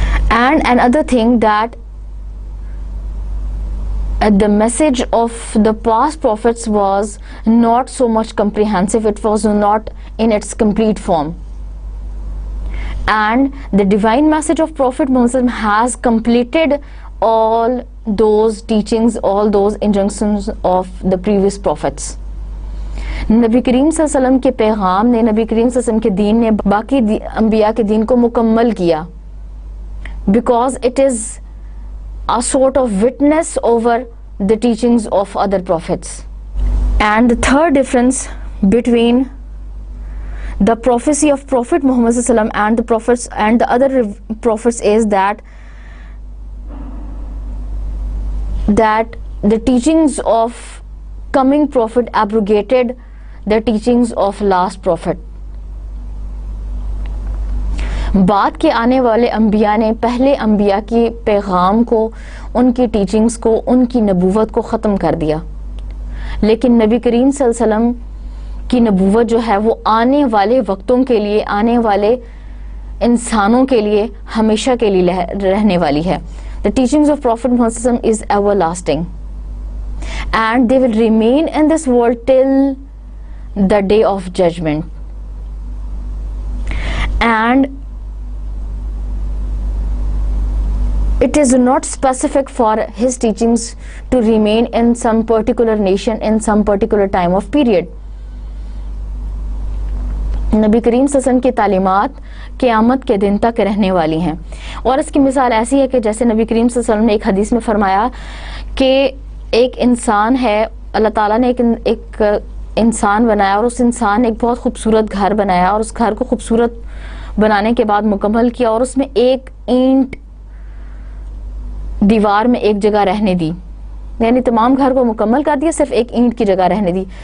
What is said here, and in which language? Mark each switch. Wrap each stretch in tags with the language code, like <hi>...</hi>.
<en>And another thing that the message of the past prophets was not so much comprehensive, it was not in its complete form, and the divine message of prophet Muhammad has completed all those teachings, all those injunctions of the previous prophets.</en> <ur>نبی کریم صلی اللہ علیہ وسلم کے پیغام نے, نبی کریم صلی اللہ علیہ وسلم کے دین نے باقی انبیاء کے دین کو مکمل کیا,</ur> <en>because it is a sort of witness over the teachings of other prophets. And the third difference between the prophecy of Prophet Muhammad صلی اللہ علیہ وسلم and the prophets and the other prophets is that the teachings of coming prophet abrogated the teachings of last prophet.</en> <ur>بعد کے آنے والے انبیاء نے پہلے انبیاء کے پیغام کو, ان کی ٹیچنگز کو, ان کی نبوت کو ختم کر دیا, لیکن نبی کریم صلی اللہ علیہ وسلم کی نبوت جو ہے وہ آنے والے وقتوں کے لیے, آنے والے انسانوں کے لیے ہمیشہ کے لیے رہنے والی ہے.</ur> <en>The teachings of Prophet Muhammad صلی اللہ علیہ وسلم is everlasting, and they will remain in this world till the day of judgment. And it is not specific for his teachings to remain in some particular nation in some particular time of period.</en> <ur>نبی کریم صلی اللہ علیہ وسلم کی تعلیمات قیامت کے دن تک رہنے والی ہیں. اور اس کی مثال ایسی ہے کہ جیسے نبی کریم صلی اللہ علیہ وسلم نے ایک حدیث میں فرمایا کہ ایک انسان ہے, اللہ تعالیٰ نے ایک انسان بنایا اور اس انسان نے ایک بہت خوبصورت گھر بنایا اور اس گھر کو خوبصورت بنانے کے بعد مکمل کیا اور اس میں ایک اینٹ دیوار میں ایک جگہ رہنے دی, یعنی تمام گھر کو مکمل کر دیا صرف ایک اینٹ کی جگہ رہنے دی.</ur>